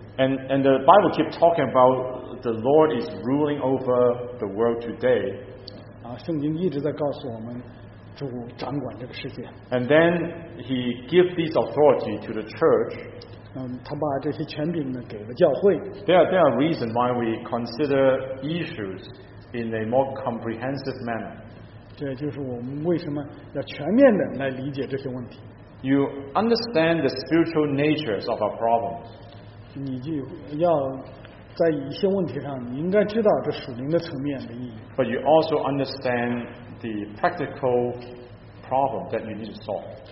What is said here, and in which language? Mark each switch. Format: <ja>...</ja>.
<en>And the Bible keeps talking about the Lord is ruling over the world today.</en> <zh>圣经一直在告诉我们，主掌管这个世界。</zh> <en>And then He gives this authority to the church.</en> <zh>他把这些权柄呢给了教会。</zh> <en>There are reasons why we consider issues in a more comprehensive manner.</en> <zh>这就是我们为什么要全面的来理解这些问题。</zh> <en>You understand the spiritual natures of our problems.</en> <zh>你就要在一些问题上，你应该知道这属灵的层面的意义。</zh> <en>But you also understand the practical problem that you need to solve.</en>